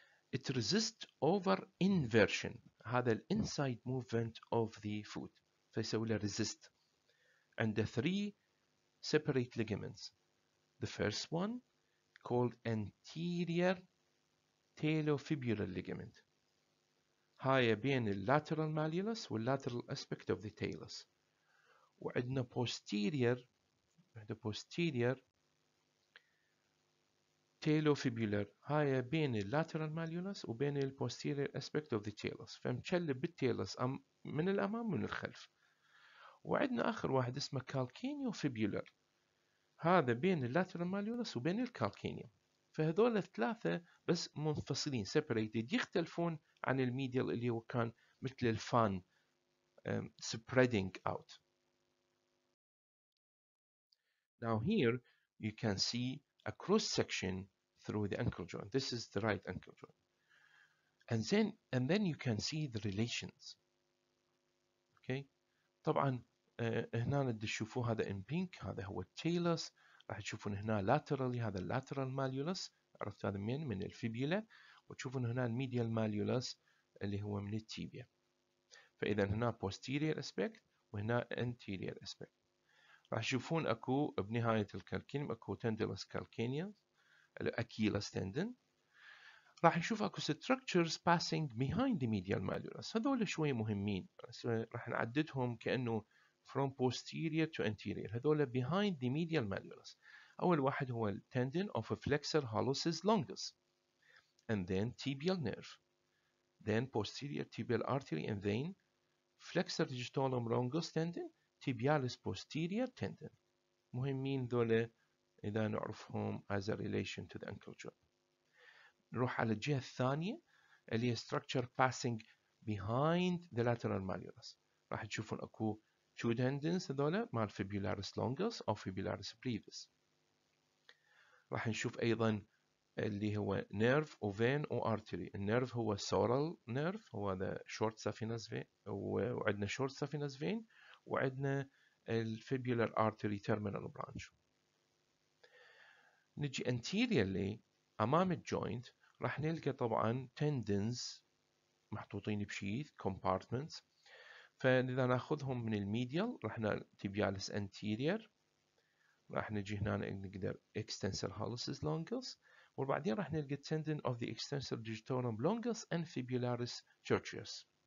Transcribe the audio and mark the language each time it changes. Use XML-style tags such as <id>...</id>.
<en>It resists over inversion, هذا ال inside movement of the foot,</en> <ar>فيسوي له</ar> <en>resist. And the three separate ligaments. The first one called anterior talofibular ligament.</en> <ar>هاي بين ال lateral malleolus وال lateral aspect of the talus. وعندنا posterior the posterior talofibular هاي بين lateral malleolus وبين posterior aspect of the talus فمشلب بالتالوس من الأمام ومن الخلف وعندنا آخر واحد اسمه calcaneofibular هذا بين lateral malleolus وبين calcaneum فهذول الثلاثة بس منفصلين separated يختلفون عن الميديال اللي هو كان مثل الفان spreading out.</ar> <en>Now here, you can see a cross-section through the ankle joint. This is the right ankle joint. And then you can see the relations. Okay?</en> <ar>طبعاً هنا تشوفوا هذا in pink, هذا هو talus. راح تشوفون هنا laterally, هذا lateral malleolus. عرفت هذا من؟ من الفيبيولا. وتشوفون هنا medial malleolus اللي هو من التيبيا. فإذا هنا posterior aspect وهنا anterior aspect. راح تشوفون اكو بنهاية الكالكينيوم اكو تندلس كالكينيوم الاكيلس تندن راح نشوف اكو</ar> <en>structures passing behind the medial malleolus</en> <ar>هذول شوي مهمين راح نعددهم كأنه</ar> <en>from posterior to anterior</en> <ar>هذول behind the medial malleolus اول واحد هو التندن of a flexor hallucis longus</ar> <en>and then tibial nerve then posterior tibial artery and vein flexor digitorum longus tendon tibialis posterior tendon.</en> <ar>مهمين ذولا إذا نعرفهم</ar> <en>as a relation to the ankle joint.</en> <ar>نروح على الجهة الثانية اللي هي</ar> <en>structure passing behind the lateral malleolus.</en> <ar>راح تشوفون أكو two tendons ذولا مال fibularis longus أو fibularis brevis. راح نشوف أيضا اللي هو nerve وvein وartery. النerve هو sural nerve هو the short saphenous vein وعندنا short saphenous vein وعندنا الفيبيولار artery terminal branch نجي anteriorly أمام الجوينت راح نلقى طبعا tendons محطوطين بشيث compartments فإذا ناخذهم من الميديال راح تبيالس anterior راح نجي هنا نقدر extensor hallucis longus وبعدين راح نلقى tendon of the extensor digitorum longus and fibularis tertius</ar>